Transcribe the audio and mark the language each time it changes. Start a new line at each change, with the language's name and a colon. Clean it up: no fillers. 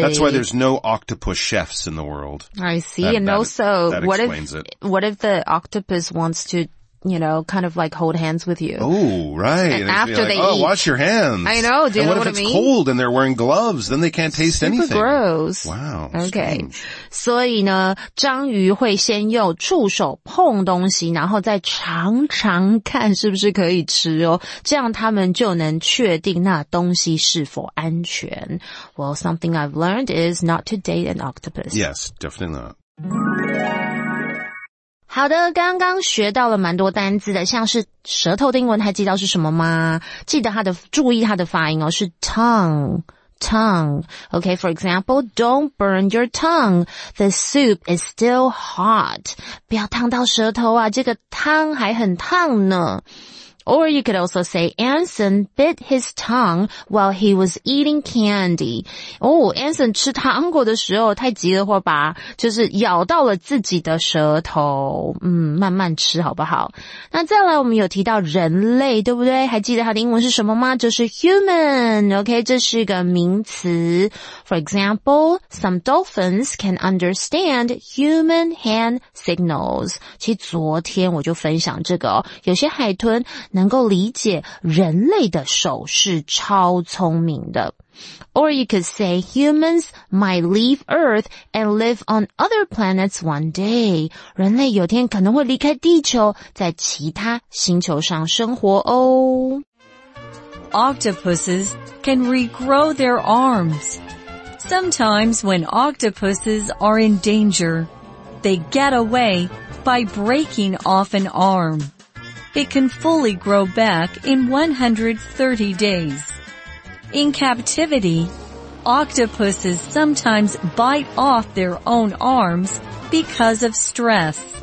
English: That's why there's no octopus chefs in the world. I see. That, and also, that explains what if, it. What if the octopus wants to, you know, kind of like hold hands with you? Oh, right. And after like, they oh, eat. Oh, wash your hands. I know. Do you know what I mean? And what if it's cold and they're wearing gloves? Then they can't taste super anything. Super gross. Wow. Okay. Strange.
Chinese: 所以呢，章鱼会先用触手碰东西，然后再尝尝看是不是可以吃哦。这样他们就能确定那东西是否安全。
English: Well, something I've learned is not to date an octopus. Yes, definitely not.
Chinese: 好的，刚刚学到了蛮多单字的，像是舌头的英文还记得是什么吗？记得它的，注意它的发音哦，是
English: tongue. Okay, for example, don't burn your tongue. The soup is still hot.
Chinese: 不要烫到舌头啊，这个汤还很烫呢。
English: Or you could also say, Anson bit his tongue while he was eating candy.
Chinese: Oh, Anson 吃糖果的时候太急了会吧，就是咬到了自己的舌头。嗯，慢慢吃好不好？那再来我们有提到人类，对不对？还记得它的英文是什么吗？就是 human, OK, 这是一个名词。
English: For example, some dolphins can understand human hand signals.
Chinese: 其实昨天我就分享这个哦，有些海豚能够理解人类的手是超聪明的。
English: Or you could say humans might leave Earth and live on other planets one day.
Chinese: 人类有天可能会离开地球，在其他星球上生活哦。
English: Octopuses can regrow their arms. Sometimes when octopuses are in danger, they get away by breaking off an arm. It can fully grow back in 130 days. In captivity, octopuses sometimes bite off their own arms because of stress.